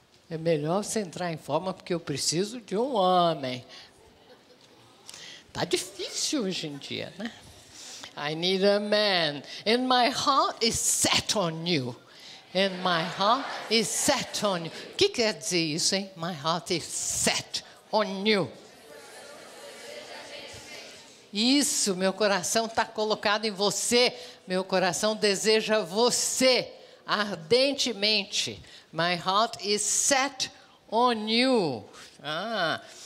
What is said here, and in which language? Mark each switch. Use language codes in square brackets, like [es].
[pt] É melhor você entrar em forma porque eu preciso de um homem. Tá difícil hoje em dia, né? [en] I need a man. And my heart is set on you. And my heart is set on you. [pt] O que quer dizer isso, hein? [en] My heart is set on you. [pt] Isso, meu coração está colocado em você. Meu coração deseja você ardentemente. [en] My heart is set on you. Ah.